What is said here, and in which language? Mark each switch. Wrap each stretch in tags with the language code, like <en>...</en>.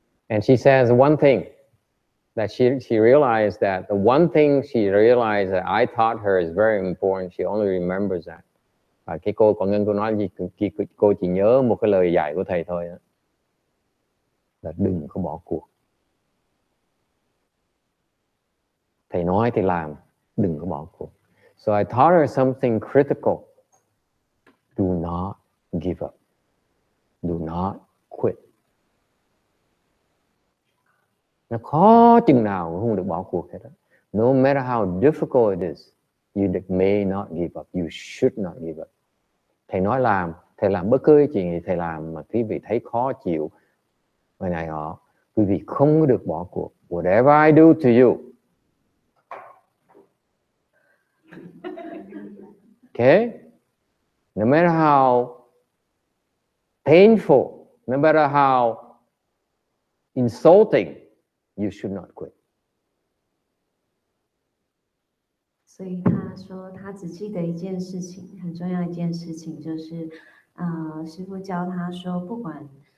<en>And she says one thing that she realized that the one thing she realized that I taught her is very important. She only remembers that.</en> <vi>Và cái cô còn ngân cô nói gì, cô chỉ nhớ một cái lời dạy của thầy thôi đó. Là đừng có bỏ cuộc. Thầy nói thì làm, đừng có bỏ cuộc.</vi> <en>So I taught her something critical. Do not give up. Do not quit.</en> <vi>Nó khó chừng nào cũng không được bỏ cuộc hết đó.</vi> <en>No matter how difficult it is, you may not give up. You should not give up.</en> <vi>Thầy nói làm, thầy làm bất cứ chuyện gì thầy làm mà quý vị thấy khó chịu, vậy này họ, quý vị không được bỏ cuộc.</vi> <en>Whatever I do to you. Okay? No matter how painful, no matter how insulting, you should not quit.</en> <zh>所以他说他只记得一件事情，很重要一件事情，就是，师父教他说，不管</zh>